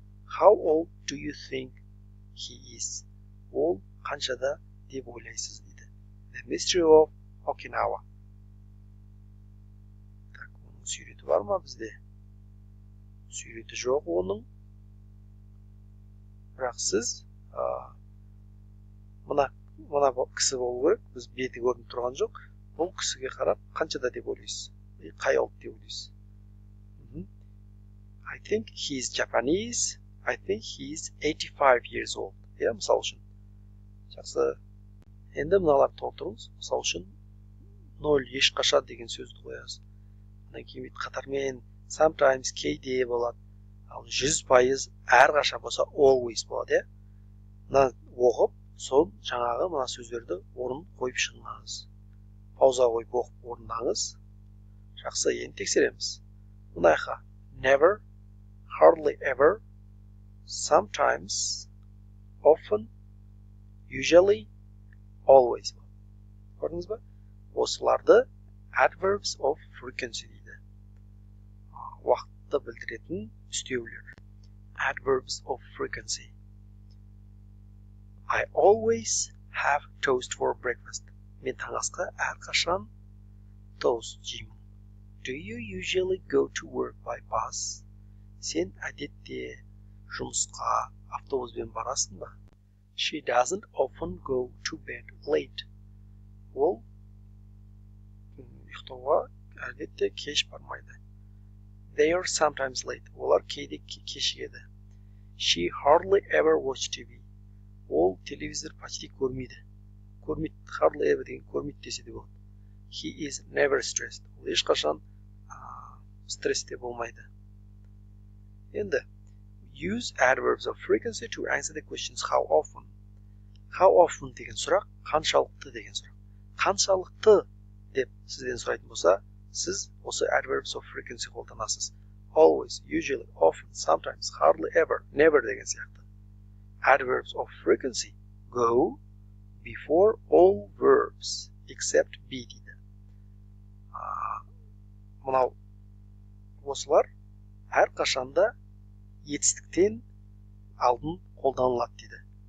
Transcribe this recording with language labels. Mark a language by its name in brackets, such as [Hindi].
[English] How old do you think he is? [Kazakh] Ол қаншада деп ойлайсыз дейді. [English] The mystery of Okinawa. [Kazakh] Сүйреті бар ма бізде? Сүйреті жоқ оның. Бірақ сіз мына кісі болу керек. Біз беті көрініп тұрған жоқ. Бұл кісіге қарап қаншада деп ойлайсыз? Қай ұлт деп ойлайсыз? [English] I think he is Japanese. I think he is 85 years old. [Kazakh] Мысал үшін. Жақсы. Енді мыналар толтырыңыз. Мысал үшін 0 ешқашан деген сөзді қоясыз. Одан кейін бит қатармен sometimes кейде болады. Ал 100% әрқашан болса always болады, иә? Мына оқып, сол жаңағы мына сөздерді орнын қойып шығыңыз. Пауза қойып оқып орындаңыз. Жақсы, енді тексереміз. Мынаға [English] never, hardly ever, sometimes, often, usually, always. [Kazakh] Көрдіңіз ба? Осыларды [English] adverbs of frequency [Kazakh] дейді. Уақытты білдіретін үстеулер. [English] Adverbs of frequency. I always have toast for breakfast. [Kazakh] Мен таңғы асқа әрқашан тост жеймін. [English] Do you usually go to work by bus? [Kazakh] Сен әдетте жұмысқа автобуспен барасың ба? [English] She doesn't often go to bed late. [Kazakh] Ол ұйықтауға әдетте кеш бармайды. [English] They are sometimes late. [Kazakh] Олар кейде кешігеді. [English] She hardly ever watches TV. [Kazakh] Ол телевизор почти көрмейді. Көрмейді, [English] hardly ever [Kazakh] деген көрмейді десе де болады. [English] He is never stressed. [Kazakh] Ол ешқашан стрессте болмайды. Енді [English] use adverbs of frequency to answer the questions how often. How often [Kazakh] деген сұрақ, қаншалықты деген сұрақ. Қаншалықты деп сізден сұрайтын болса, сіз осы [English] adverbs of frequency [Kazakh] қолданасыз. [English] Always, usually, often, sometimes, hardly ever, never деген сияқты. Adverbs of frequency go before all verbs except be [Kazakh] дейді. Мынау осылар әр қашанда етістіктен алдын қолданылады дейді.